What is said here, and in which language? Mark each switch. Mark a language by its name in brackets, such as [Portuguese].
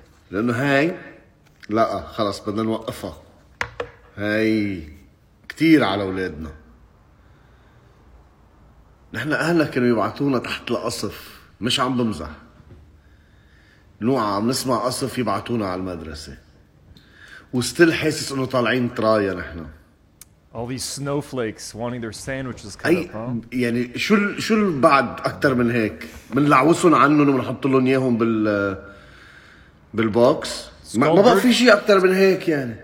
[Arabic] لأنه هاي لا خلص بدنا نوقفها. هاي كثير على اولادنا. نحن اهلنا كانوا يبعثونا تحت القصف، مش عم بمزح. نوعا عم نسمع قصف يبعثونا على المدرسة. وستيل حاسس انه طالعين ترايا نحن. [English] All these snowflakes wanting their sandwiches cut up, huh? [Arabic] يعني شو بعد اكثر من هيك؟ بنلعوسهم عنهم وبنحط لهم اياهم بالبوكس؟ ما بقى في شيء اكثر من هيك يعني.